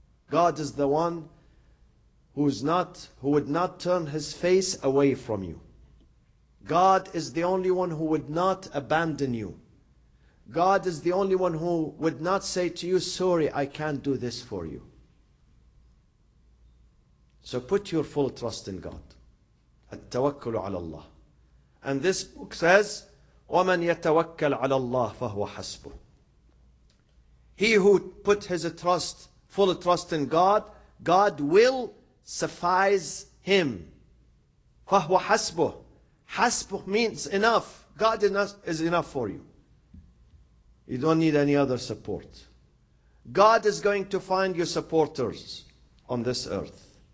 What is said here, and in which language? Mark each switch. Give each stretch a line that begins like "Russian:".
English: God is the one who would not turn His face away from you. God is the only one who would not abandon you. God is the only one who would not say to you, sorry, I can't do this for you. So put your full trust in God.
Arabic: At-tawakkulu ala Allah.
English: And this book says,
Arabic: وَمَنْ يَتَوَكَّلْ عَلَى اللَّهِ فَهُوَ حَسْبُهُ.
English: He who put his trust, full trust in God, God will suffice him.
Arabic: فَهُوَ حَسْبُهُ.
English: حَسْبُهُ means enough. God is enough for you. You don't need any other support. God is going to find you supporters on this earth.